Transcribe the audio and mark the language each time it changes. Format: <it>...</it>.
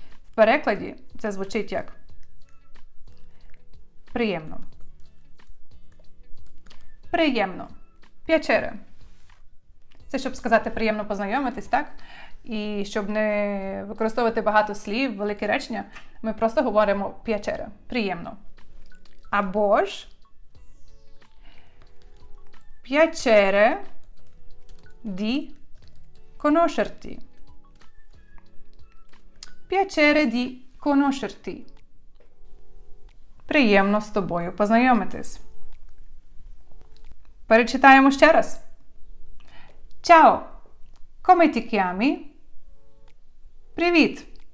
<uk>В перекладі це звучить як приємно. Приємно.</uk> <it>Piacere.</it> <uk>Це щоб сказати приємно познайомитись, так? І щоб не використовувати багато слів, великі речення, ми просто говоримо</uk> <it>piacere.</it> <uk>Приємно. Або ж</uk> <it>piacere di conoscerti. Piacere di conoscerti.</it> <uk>Приємно з тобою познайомитись. Перечитаємо ще раз.</uk> <it>Ciao. Come ti chiami?</it> <uk>Привіт.</uk>